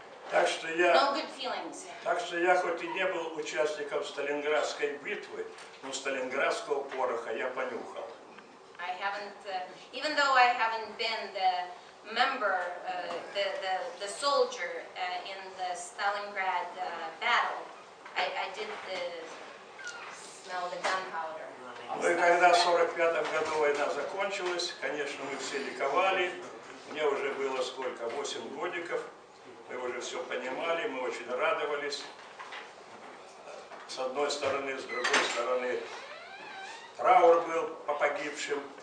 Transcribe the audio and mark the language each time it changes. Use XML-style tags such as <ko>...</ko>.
<ru>Так что я хоть и не был участником Сталинградской битвы, но Сталинградского пороха я понюхал.</ru> <en>I haven't, even though I haven't been the member, the soldier in the Stalingrad battle, I did the smell the gunpowder.</en> <ru>Ну и когда в 45-м году война закончилась, конечно, мы все ликовали. Мне уже было сколько? 8 годиков. Мы уже все понимали, мы очень радовались. С одной стороны, с другой стороны, траур был по погибшим.</ru>